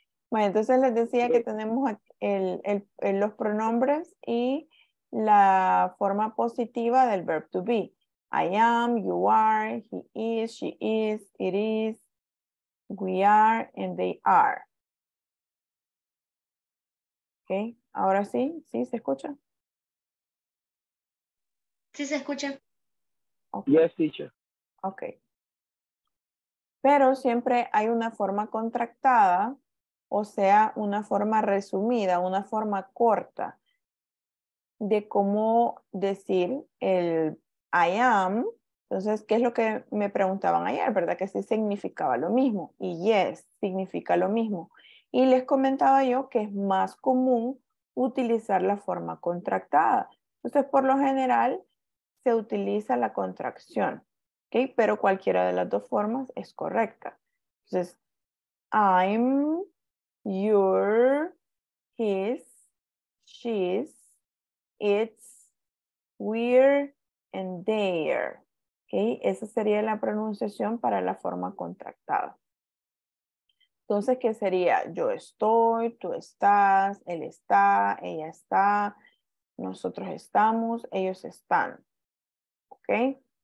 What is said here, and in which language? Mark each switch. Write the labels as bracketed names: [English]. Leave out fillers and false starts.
[Spanish] Bueno, entonces les decía que tenemos los pronombres y la forma positiva del verb to be. [English] I am, you are, he is, she is, we are, and they are. [Spanish] Okay. Ahora sí, ¿sí se escucha? Sí se escucha. [English] Okay. Yes, teacher. Okay. [Spanish] pero siempre hay una forma contractada, o sea, una forma resumida, una forma corta de cómo decir el I am. Entonces, ¿qué es lo que me preguntaban ayer? ¿Verdad? Que sí significaba lo mismo. Y yes, significa lo mismo. Y les comentaba yo que es más común utilizar la forma contractada. Entonces, por lo general, se utiliza la contracción. ¿Okay? Pero cualquiera de las dos formas es correcta. [English] Entonces, I'm, you're, his, she's, it's, we're, and they're. ¿Okay? [Spanish] Esa sería la pronunciación para la forma contractada. Entonces, ¿qué sería? Yo estoy, tú estás, él está, ella está, nosotros estamos, ellos están. ¿Ok?